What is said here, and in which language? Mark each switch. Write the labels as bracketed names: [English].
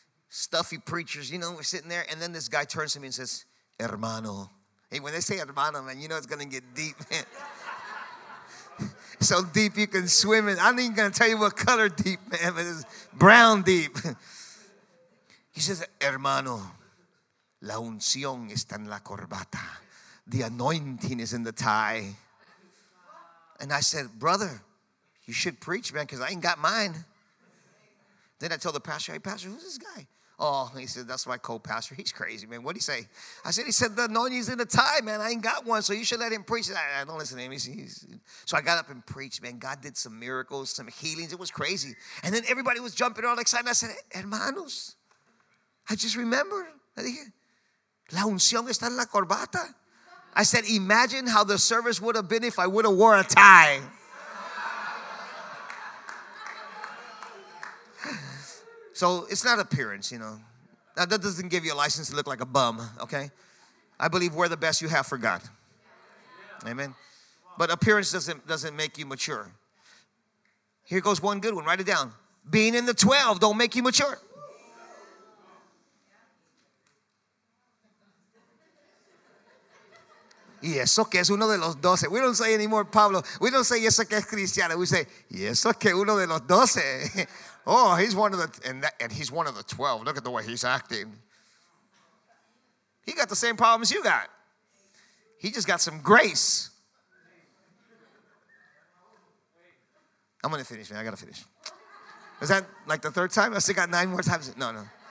[English] Stuffy preachers, you know, we're sitting there. And then this guy turns to me and says, hermano. Hey, when they say hermano, man, you know it's going to get deep, man. So deep you can swim in. I'm not even going to tell you what color deep, man, but it's brown deep. He says, hermano. [Spanish] La unción está en la corbata. [English] The anointing is in the tie. And I said, brother, you should preach, man, because I ain't got mine. Then I told the pastor, hey, pastor, who's this guy? Oh, he said, that's my co-pastor. He's crazy, man. What'd he say? I said, the anointing's in the tie, man. I ain't got one, so you should let him preach. I don't listen to him. So I got up and preached, man. God did some miracles, some healings. It was crazy. And then everybody was jumping around excited. I said, hermanos, I just remember. I [Spanish] dije, la unción está en la corbata. [English] I said, imagine how the service would have been if I would have wore a tie. So it's not appearance, you know. Now, that doesn't give you a license to look like a bum, okay? I believe wear the best you have for God. Amen. But appearance doesn't make you mature. Here goes one good one. Write it down. Being in the 12 don't make you mature. [Spanish] Y eso que es uno de los doce. [English] We don't say anymore, Pablo. We don't say [Spanish] eso que es cristiano. [English] We say, [Spanish] y eso que uno de los doce. [English] Oh, he's one of the, he's one of the 12. Look at the way he's acting. He got the same problems you got. He just got some grace. I'm going to finish, man. I got to finish. Is that like the third time? I still got nine more times. No.